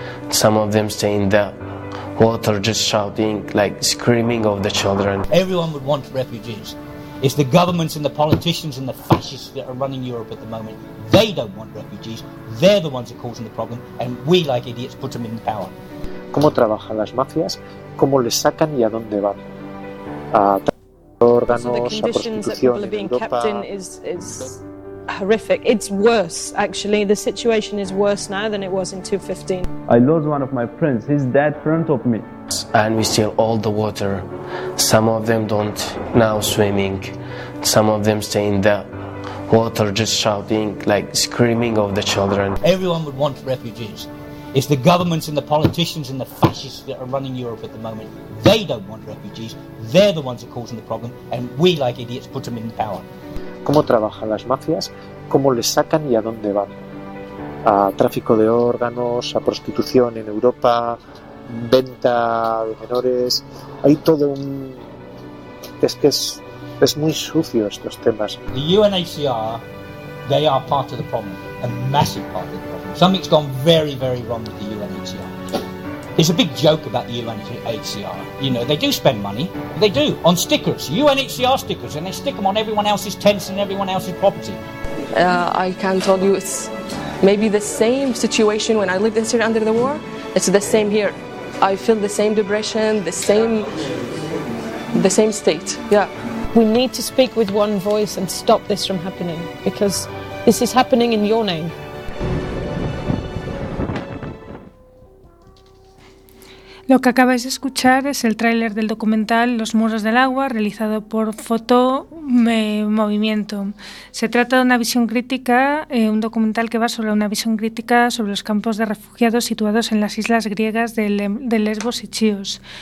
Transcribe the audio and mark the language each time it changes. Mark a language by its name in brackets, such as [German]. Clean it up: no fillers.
[English] Some of them stay in the water just shouting, like screaming of the children. Everyone would want refugees. It's the governments and the politicians and the fascists that are running Europe at the moment. They don't want refugees. They're the ones that are causing the problem, and we, like idiots, put them in power. [Spanish] ¿Cómo trabajan las mafias? ¿Cómo les sacan y a dónde van? Órganos, a prostitución en Europa. [English] Horrific. It's worse, actually. The situation is worse now than it was in 2015. I lost one of my friends. He's dead in front of me. And we steal all the water. Some of them don't now swimming. Some of them stay in the water just shouting, like screaming of the children. Everyone would want refugees. It's the governments and the politicians and the fascists that are running Europe at the moment. They don't want refugees. They're the ones that are causing the problem, and we, like idiots, put them in power. [Spanish] ¿Cómo trabajan las mafias? ¿Cómo les sacan y a dónde van? ¿A tráfico de órganos? ¿A prostitución en Europa? venta de menores, hay todo un... Es que es muy sucio estos temas. [English] The UNHCR, they are part of the problem, a massive part of the problem. Something's gone very, very wrong with the UNHCR. It's a big joke about the UNHCR. You know, they do spend money. They do, on stickers, UNHCR stickers, and they stick them on everyone else's tents and everyone else's property. I can tell you it's maybe the same situation when I lived in Syria under the war. It's the same here. I feel the same depression, the same state, yeah. We need to speak with one voice and stop this from happening, because this is happening in your name. [Spanish] Lo que acabáis de escuchar es el tráiler del documental Los muros del agua, realizado por Foto Movimiento. Se trata de una visión crítica, un documental que va sobre una visión crítica sobre los campos de refugiados situados en las islas griegas de Lesbos y Chios.